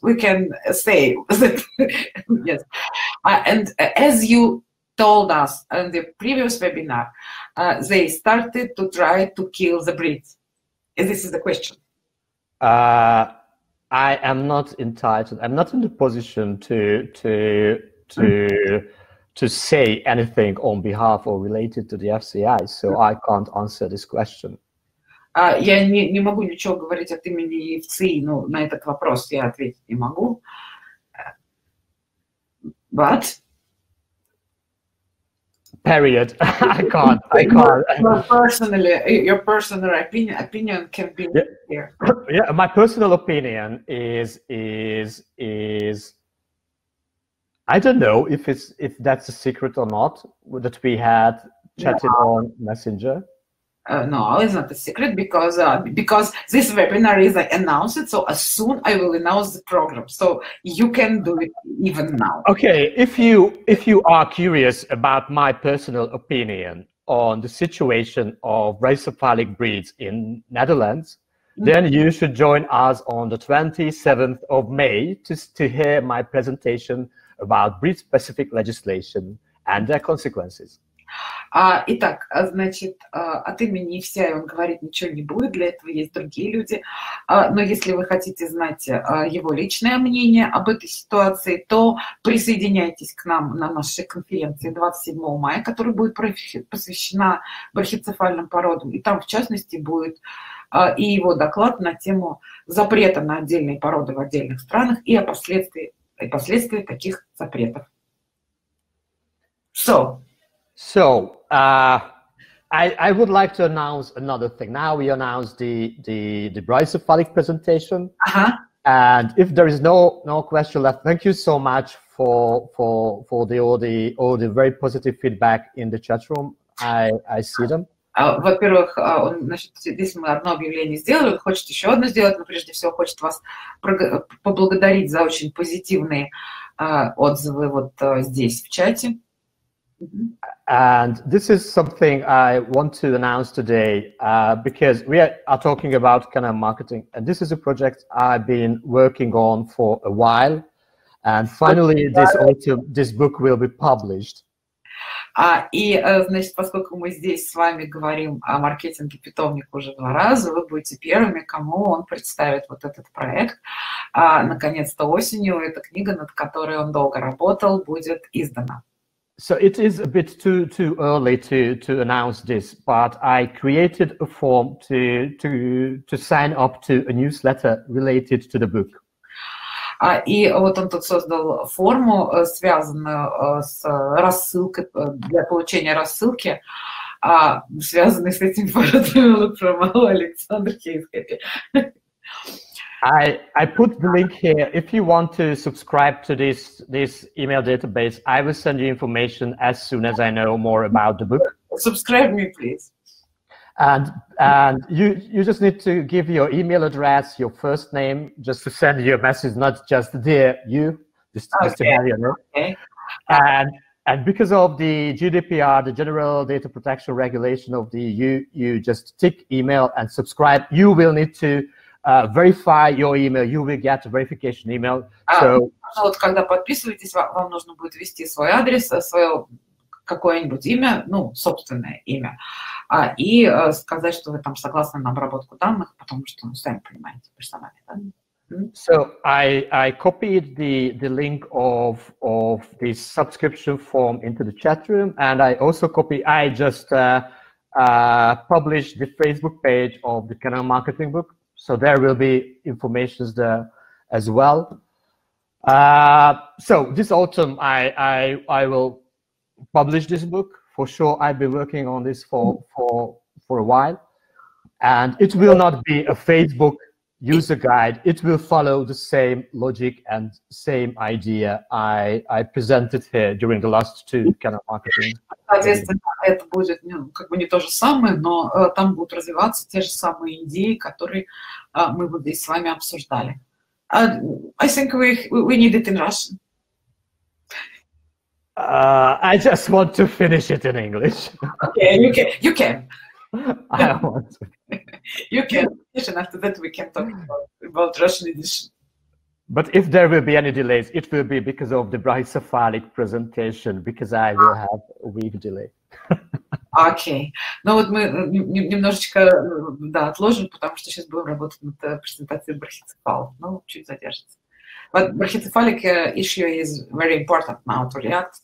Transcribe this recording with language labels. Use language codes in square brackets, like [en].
[en] We can say that, yes. And as you told us in the previous webinar, they started to try to kill the breeds. This is the question. I am not entitled, I'm not in the position to say anything on behalf or related to the FCI, so I can't answer this question. [ru] Я не могу ничего говорить от имени FCI, но на этот вопрос я ответить не могу. [en] But... Period. I can't. Your personal opinion can be here. Yeah, my personal opinion is I don't know if that's a secret or not that we had chatted on Messenger. No, it's not a secret because this webinar is announced, so as soon I will announce the program, so you can do it even now. Okay, if you are curious about my personal opinion on the situation of racephalic breeds in Netherlands, then you should join us on the 27th of May to hear my presentation about breed-specific legislation and their consequences. [ru] Итак, значит, от имени FCI он говорить ничего не будет, для этого есть другие люди. Но если вы хотите знать его личное мнение об этой ситуации, то присоединяйтесь к нам на нашей конференции 27 мая, которая будет посвящена брахицефальным породам. И там, в частности, будет и его доклад на тему запрета на отдельные породы в отдельных странах и о последствиях. И последствия таких запретов. [en] So. So, I would like to announce another thing. Now we announce the brachycephalic presentation. And if there is no question left, thank you so much for all the very positive feedback in the chat room. I see them. [ru] Во-первых, здесь мы одно объявление сделали, хочет еще одно сделать, но прежде всего хочет вас поблагодарить за очень позитивные отзывы вот здесь, в чате. [en] And this is something I want to announce today, because we are talking about kind of marketing, and this is a project I've been working on for a while, and finally this autumn this book will be published. [ru] Значит, поскольку мы здесь с вами говорим о маркетинге питомника уже два раза, вы будете первыми, кому он представит вот этот проект. Наконец-то осенью эта книга, над которой он долго работал, будет издана. [en] So it is a bit too early to announce this, but I created a form to sign up to a newsletter related to the book. [ru] И вот он тут создал форму, связанную с рассылкой, для получения рассылки, связанной с этим форумом Александра Кейскопи. [en] I put the link here. If you want to subscribe to this email database, I will send you information as soon as I know more about the book. Subscribe me, please. And you just need to give your email address, your first name, just to send you a message, not just dear you, just to have your name. Okay. And because of the GDPR, the General Data Protection Regulation of the EU, you just tick email and subscribe. You will need to verify your email. You will get a verification email. So, [ru] вот когда подписываетесь, вам нужно будет ввести свой адрес, свое какое-нибудь имя, ну, собственное имя, и сказать, что вы там согласны на обработку данных, потому что, ну, сами понимаете, персональные данные. [en] So I copied the link of the subscription form into the chat room, and I also copy. I just published the Facebook page of the Canon Marketing book. So there will be information there as well. So this autumn I will publish this book for sure. I've been working on this for a while, and it will not be a Facebook user guide. It will follow the same logic and same idea I presented here during the last two kind of marketing. [ru] Соответственно, это будет, ну, как бы не то же самое, но там будут развиваться те же самые идеи, которые мы бы здесь с вами обсуждали. [en] I think we need it in Russian. I just want to finish it in English. Okay, you can. I want to. You can finish, and after that we can talk about Russian edition. But if there will be any delays, it will be because of the brachycephalic presentation, because I will have a week delay. Okay. [ru] Ну вот мы немножечко, да, отложим, потому что сейчас будем работать над презентацией брахицефал. Ну, чуть задержится. [en] But brachycephalic issue is very important now to react.